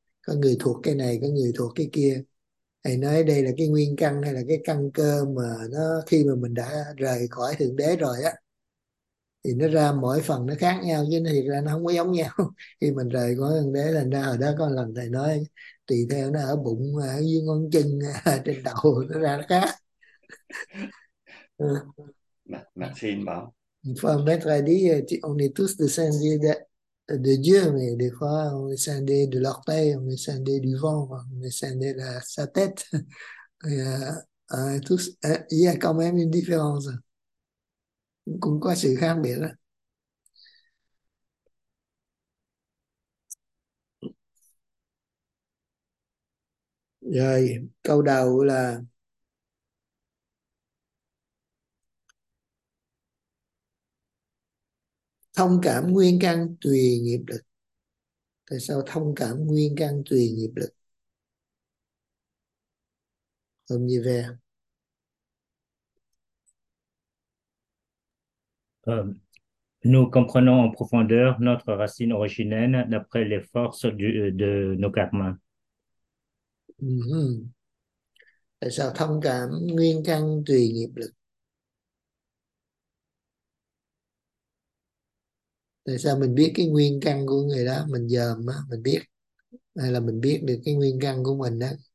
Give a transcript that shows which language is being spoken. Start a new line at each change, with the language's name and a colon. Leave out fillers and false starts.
Vietnamese: Có người thuộc cái này, có người thuộc cái kia. Thầy nói đây là cái nguyên căn hay là cái căn cơ mà nó khi mà mình đã rời khỏi Thượng Đế rồi á, thì nó ra mỗi phần nó khác nhau, chứ thiệt ra nó không có giống nhau. Khi mình rời khỏi Thượng Đế là ra hồi đó có lần thầy nói tùy theo nó ở bụng, ở dưới ngón chân, trên đầu nó ra nó khác. Maxime bảo.
French: Une fois maître a dit, on est tous descendus de Dieu, mais des fois on descendait de l'orteil, on descendait du vent, on descendait de sa tête. Il y a quand même une différence.
Vietnamese: Cũng có sự khác biệt đó. Rồi, câu đầu là thông cảm nguyên căn tùy nghiệp lực. Tại sao thông cảm nguyên căn tùy nghiệp lực? Hôm như vậy.
French: Nous comprenons en profondeur notre racine originelle d'après les forces de nos karmas.
Vietnamese: Tại sao thông cảm nguyên căn tùy nghiệp lực? Tại sao mình biết cái nguyên căn của người đó, mình dòm á, mình biết, hay là mình biết được cái nguyên căn của mình đó?